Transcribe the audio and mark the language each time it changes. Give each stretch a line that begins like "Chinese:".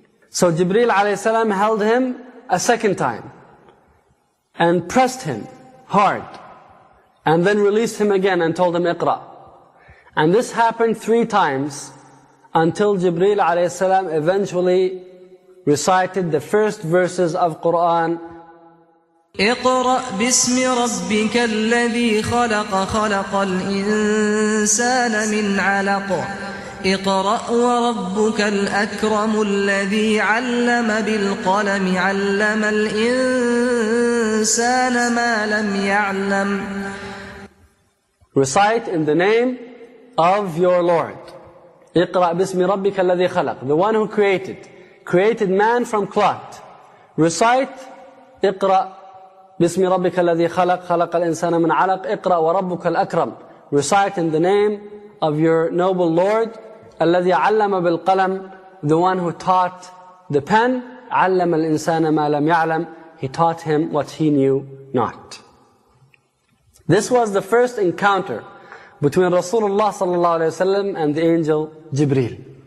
English: So Jibreel alayhi salam held him a second time and pressed him hard and then released him again and told him, Iqra. And this happened three times until Jibreel alayhi salam eventually recited the first verses of Quran.
Arabic: اقرأ باسم ربك الذي خلق خلق الإنسان من علق اقرأ وربك الأكرم الذي علم بالقلم علم الإنسان ما لم يعلم.
English: Recite in the name of your Lord.
Arabic: اقرأ باسم ربك الذي خلق.
English: The one who created man from clot. Recite
Arabic: اقرأ باسم ربك الذي خلق خلق الإنسان من علق اقرأ وربك الأكرم.
English: Recite in the name of your noble Lord
Arabic: الذي علم بالقلم.
English: The one who taught the pen.
Arabic: علم الإنسان ما لم يعلم.
English: He taught him what he knew not. This was the first encounter between Rasulullah sallallahu alayhi wa sallam and the angel Jibreel.